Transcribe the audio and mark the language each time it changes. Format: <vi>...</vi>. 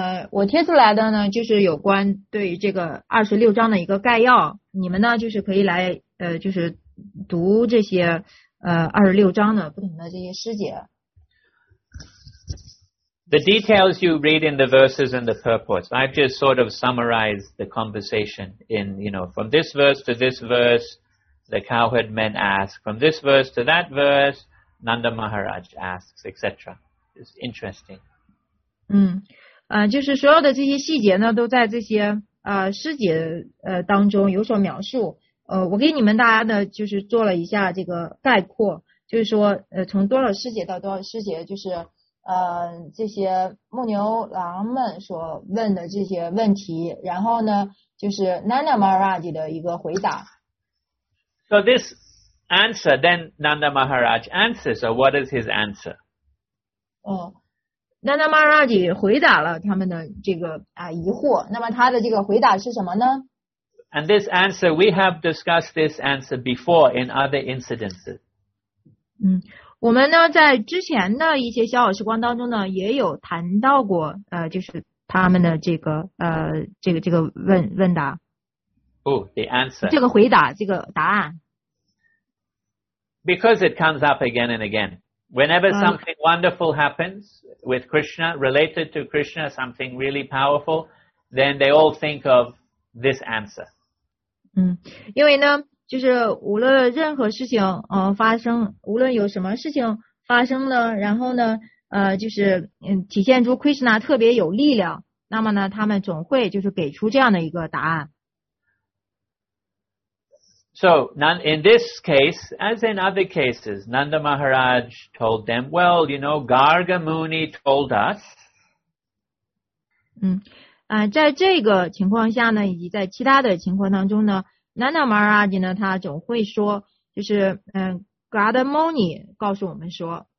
<zh>我贴出来的呢，就是有关对于这个26章的一个概要。你们呢，就是可以来就是读这些26章的不同的这些诗节。</zh> <en>The details you read in the verses and the purports. I've just sort of summarized the conversation in, you know, from this verse to this verse, the cowherd men ask. From this verse to that verse, Nanda Maharaj asks, etc. It's interesting.</en> <zh>就是所有的这些细节呢，都在这些诗节当中有所描述。我给你们大家呢，就是做了一下这个概括，就是说从多少诗节到多少诗节，就是。这些牧牛郎们所问的这些问题，然后呢，就是 Nanda Maharaj 的一个回答。</zh> <en>So this answer, then Nanda Maharaj answers, or what is his answer?</en> <zh>Nanda Maharaj 回答了他们的这个疑惑，那么他的这个回答是什么呢？</zh> <en>And this answer, we have discussed this answer before in other incidences.</en> <zh>我们呢在之前的一些小时光当中呢也有谈到过就是他们的这个这个问答。</zh> <en>The answer.</en> <zh>这个回答这个答案。</zh> <en>Because it comes up again and again. Whenever something wonderful happens with Krishna, related to Krishna, something really powerful, then they all think of this answer.</en> <zh>因为呢就是无论任何事情发生，无论有什么事情发生了，然后呢就是体现出 Krishna 特别有力量，那么呢他们总会就是给出这样的一个答案。</zh> <en>So, in this case, as in other cases, Nanda Maharaj told them, well, you know, Garga Muni told us.</en> <zh>在这个情况下呢，以及在其他的情况当中呢，Nanda Maharaj 呢，他总会说，就是Garga Muni 告诉我们说。</zh>